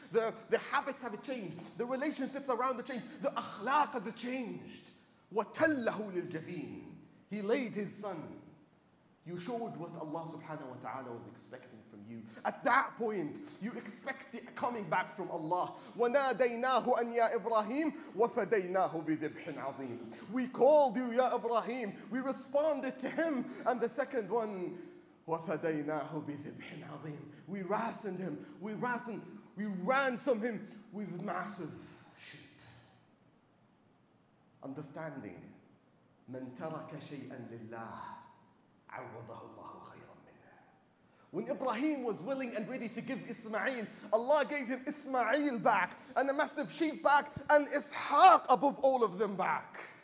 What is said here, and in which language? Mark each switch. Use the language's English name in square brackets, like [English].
[English] The habits have changed. The relationships around the change. The akhlaq has changed. [Arabic] وَتَلَّهُ لِلْجَبِينِ [English] He laid his son. You showed what Allah subhanahu wa ta'ala was expecting from you. At that point, you expect the coming back from Allah. [Arabic] وَنَادَيْنَاهُ أَنْ يَا إِبْرَاهِيمُ وَفَدَيْنَاهُ بِذِبْحٍ عَظِيمٍ [English] We called you, Ya Ibrahim. We responded to him. And the second one, [Arabic] وَفَدَيْنَاهُ بِذِبْحٍ عَظِيمٍ [English] We ransomed him. We ransomed him with massive sheep. Understanding. [Arabic] مَنْ تَرَكَ شَيْئًا لِلَّهِ عَوَّضَهُ اللَّهُ خَيْرًا مِنْهُ [English] When Ibrahim was willing and ready to give Ismail, Allah gave him Ismail back, and a massive sheep back, and Ishaq above all of them back.